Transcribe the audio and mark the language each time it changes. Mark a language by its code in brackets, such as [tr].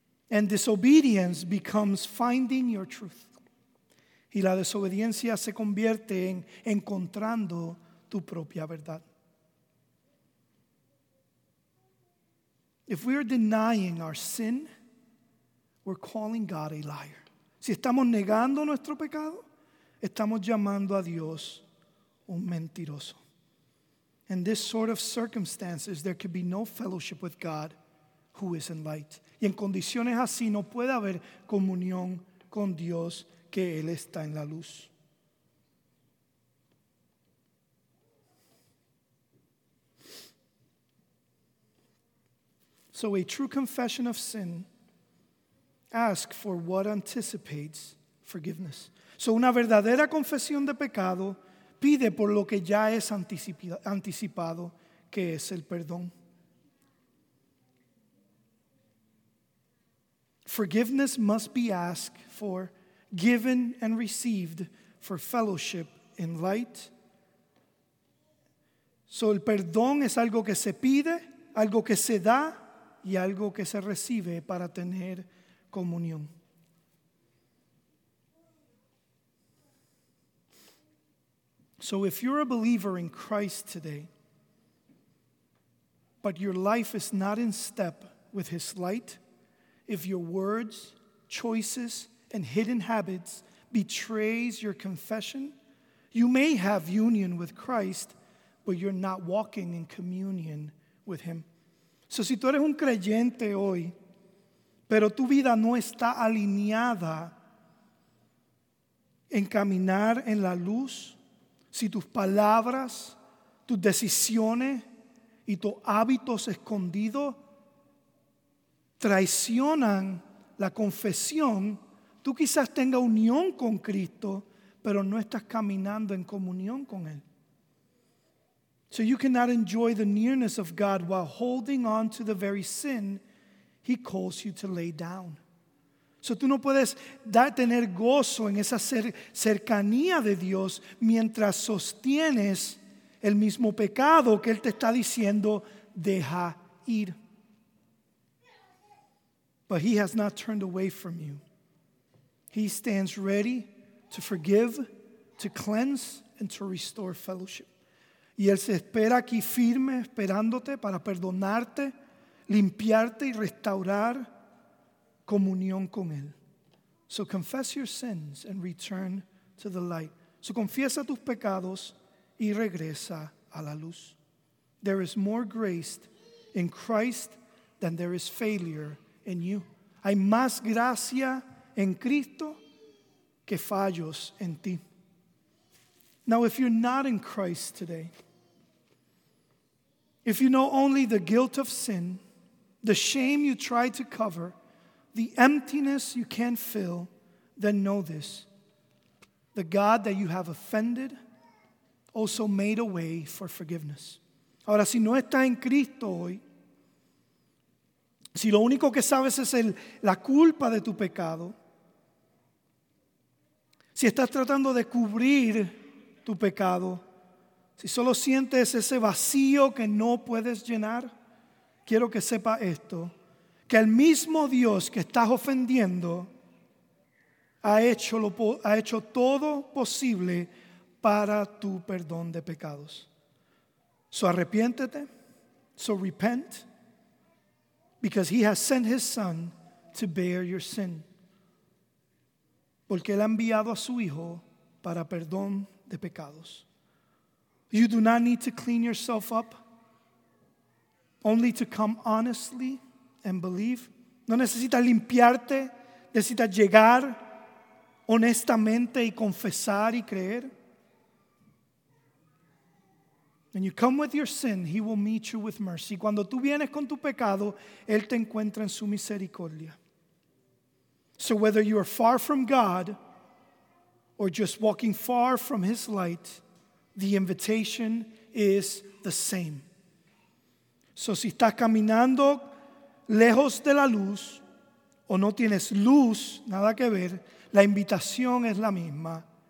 [en] And disobedience becomes finding your truth. [es] Y la desobediencia se convierte en encontrando tu propia verdad. [en] If we are denying our sin, we're calling God a liar. [es] Si estamos negando nuestro pecado, estamos llamando a Dios un mentiroso. [en] In this sort of circumstances, there could be no fellowship with God who is in light. [es] Y en condiciones así, no puede haber comunión con Dios que Él está en la luz. [en] So a true confession of sin asks for what anticipates forgiveness. [es] So una verdadera confesión de pecado pide por lo que ya es anticipado, que es el perdón. [en] Forgiveness must be asked for, given and received for fellowship in light. [es] So el perdón es algo que se pide, algo que se da, y algo que se recibe para tener comunión. [en] So if you're a believer in Christ today, but your life is not in step with his light, if your words, choices, and hidden habits betrays your confession, you may have union with Christ, but you're not walking in communion with him. [es] So si tú eres un creyente hoy, pero tu vida no está alineada en caminar en la luz, si tus palabras, tus decisiones y tus hábitos escondidos traicionan la confesión, tú quizás tengas unión con Cristo, pero no estás caminando en comunión con Él. [en] So you cannot enjoy the nearness of God while holding on to the very sin He calls you to lay down. [es] So tú no puedes tener gozo en esa cercanía de Dios mientras sostienes el mismo pecado que Él te está diciendo, deja ir. [en] But He has not turned away from you. He stands ready to forgive, to cleanse, and to restore fellowship. [es] Y Él se espera aquí firme, esperándote para perdonarte, limpiarte y restaurar comunión con Él. [en] So confess your sins and return to the light. [es] So confiesa tus pecados y regresa a la luz. [en] There is more grace in Christ than there is failure in you. [es] Hay más gracia en Cristo que fallos en ti. [en] Now, if you're not in Christ today, if you know only the guilt of sin, the shame you try to cover, the emptiness you can't fill, then know this. The God that you have offended also made a way for forgiveness. [es] Ahora, si no está en Cristo hoy, si lo único que sabes es la culpa de tu pecado, si estás tratando de cubrir tu pecado, si solo sientes ese vacío que no puedes llenar, quiero que sepa esto, que el mismo Dios que estás ofendiendo ha hecho todo posible para tu perdón de pecados. [en] So [es] arrepiéntete, [en] so repent, because he has sent his son to bear your sin. [es] Porque él ha enviado a su hijo para perdón de pecados. [en] You do not need to clean yourself up, only to come honestly and believe. [es] No necesitas limpiarte, necesitas llegar honestamente y confesar y creer. [en] When you come with your sin, he will meet you with mercy. [es] Cuando tú vienes con tu pecado, él te encuentra en su misericordia. [en] So whether you are far from God or just walking far from his light, the invitation is the same. [es] So si estás caminando lejos de la luz o no tienes luz, nada que ver, la invitación es la misma.